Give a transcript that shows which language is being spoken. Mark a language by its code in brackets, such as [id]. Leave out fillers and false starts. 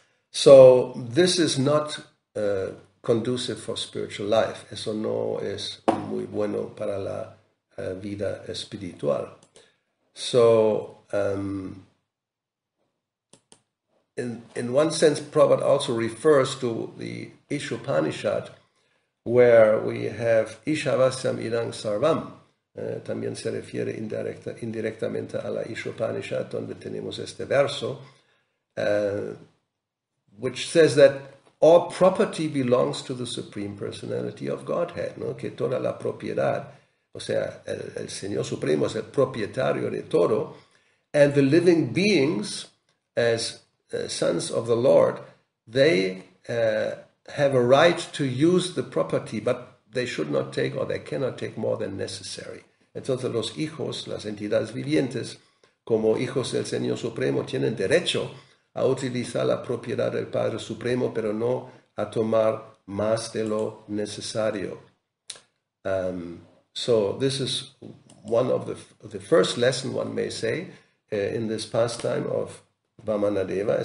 [en] So this is not conducive for spiritual life. [es] Eso no es muy bueno para la vida espiritual. [en] So in one sense, Prabhupada also refers to the Ishopanishad, where we have Ishavasyam Idang Sarvam. [es] También se refiere indirectamente a la Ishopanishad, donde tenemos este verso, [en] which says that all property belongs to the Supreme Personality of Godhead, [es] ¿no? Que toda la propiedad, o sea, el Señor Supremo es el propietario de todo, [en] and the living beings, as sons of the Lord, they have a right to use the property, but they should not take, or they cannot take, more than necessary. [es] Entonces los hijos, las entidades vivientes, como hijos del Señor Supremo, tienen derecho a utilizar la propiedad del Padre Supremo, pero no a tomar más de lo necesario. [en] So this is one of the first lesson, one may say, in this pastime of Vamanadeva.